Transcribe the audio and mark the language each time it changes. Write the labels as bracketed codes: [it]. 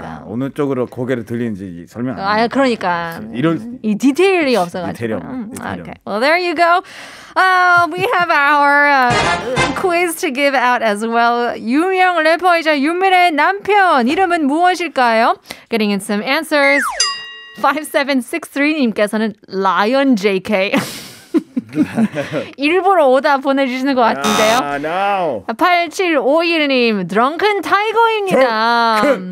[ko] 아, 어느 쪽으로 고개를 돌리는지 설명 안 해. 아, 그러니까. 이런 이 디테일이 없어 가지고. 디테일. 오케이. [en] Well, there you go. We have our quiz to give out as well. [ko] 유명 래퍼이자 유미래 남편 이름은 무엇일까요? [en] Getting in some answers. [ko] 5763님께서는 [en] Lion JK. [ko] 일부러 오다 보내주시는 것 같은데요. [en] Ah, no. [ko] 8751님 Drunken Tiger입니다.